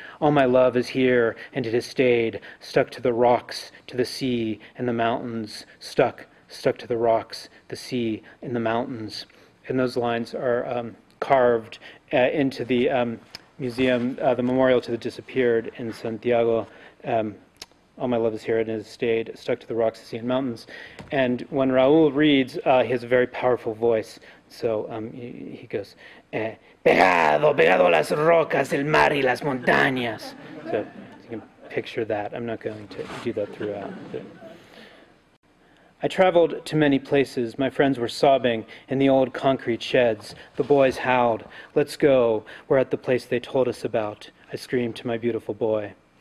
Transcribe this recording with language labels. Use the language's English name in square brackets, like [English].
[English] All my love is here, and it has stayed, stuck to the rocks, to the sea, and the mountains, stuck to the rocks, the sea, and the mountains. And those lines are carved into the museum, the Memorial to the Disappeared in Santiago. All my love is here and has stayed, stuck to the rocks, the sea, and mountains. And when Raul reads, he has a very powerful voice. So he goes, [Spanish] pegado a las rocas, el mar y las montañas. [English] So you can picture that. I'm not going to do that throughout. But. I traveled to many places. My friends were sobbing in the old concrete sheds. The boys howled, "Let's go. We're at the place they told us about," I screamed to my beautiful boy.